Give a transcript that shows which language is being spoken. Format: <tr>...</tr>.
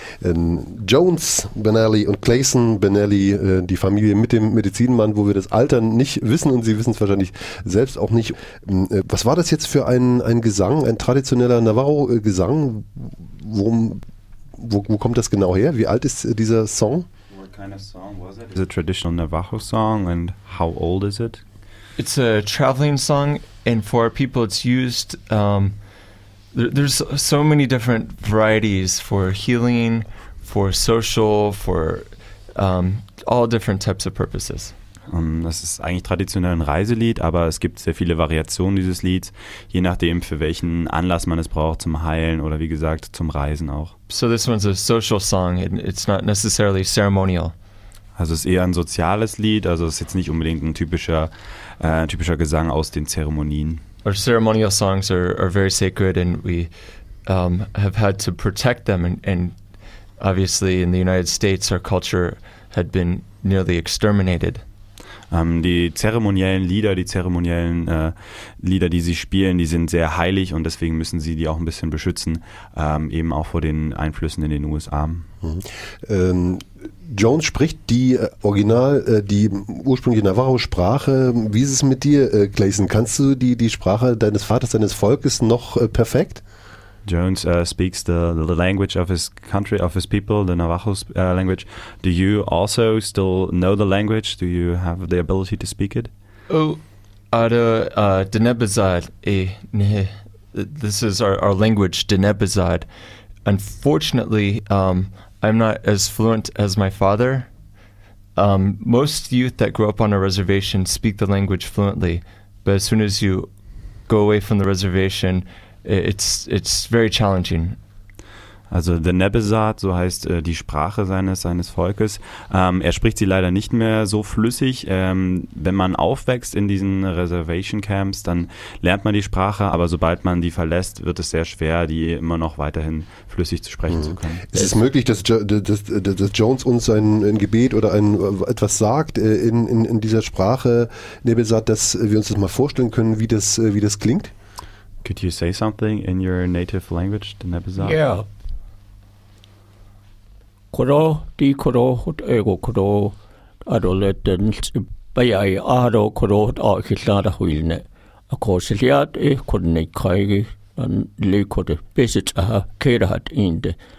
<de>Jones Benelli und Clayson Benelli, die Familie mit dem Medizinmann, wo wir das Alter nicht wissen und sie wissen es wahrscheinlich selbst auch nicht. Was war das jetzt für ein Gesang, ein traditioneller Navajo-Gesang? Wo kommt das genau her? Wie alt ist dieser Song?</de> <en>What kind of song was it? Is it a traditional Navajo song and how old is it? It's a traveling song and for people it's used... There's so many different varieties for healing, for social, for all different types of purposes.</en> <de>Das ist eigentlich traditionell ein Reiselied, aber es gibt sehr viele Variationen dieses Lieds, je nachdem für welchen Anlass man es braucht, zum Heilen oder wie gesagt zum Reisen auch.</de> <en>So this one's a social song, it's not necessarily ceremonial.</en> <de>Also es ist eher ein soziales Lied, also es ist jetzt nicht unbedingt ein typischer Gesang aus den Zeremonien.</de> <en>Our ceremonial songs are very sacred and we have had to protect them and obviously in the United States our culture had been nearly exterminated.</en> <de>Die zeremoniellen Lieder, Lieder, die sie spielen, die sind sehr heilig und deswegen müssen sie die auch ein bisschen beschützen, eben auch vor den Einflüssen in den USA. Mhm. Jones spricht die ursprüngliche Navajo-Sprache. Wie ist es mit dir, Clayson? Kannst du die Sprache deines Vaters, deines Volkes noch perfekt?</de> <en>Jones speaks the language of his country, of his people, the Navajo language. Do you also still know the language? Do you have the ability to speak it? This is our language, Denebazad. Unfortunately, I'm not as fluent as my father. Most youth that grow up on a reservation speak the language fluently, but as soon as you go away from the reservation, it's very challenging.</en> <de>Also the Denebazad, so heißt die Sprache seines Volkes. Er spricht sie leider nicht mehr so flüssig. Wenn man aufwächst in diesen Reservation Camps, dann lernt man die Sprache, aber sobald man die verlässt, wird es sehr schwer, die immer noch weiterhin flüssig zu sprechen zu können. Ist es möglich, dass Jones uns ein Gebet oder etwas sagt in dieser Sprache, Denebazad, dass wir uns das mal vorstellen können, wie das klingt?</de> <en>Could you say something in your native language, Denebazad? Yeah. Koro di koro hot ego koro adoleten bayai aro koro hot akhilara huilne akosiliat e kunne kaigi an likode besit a kera hat inde.</en>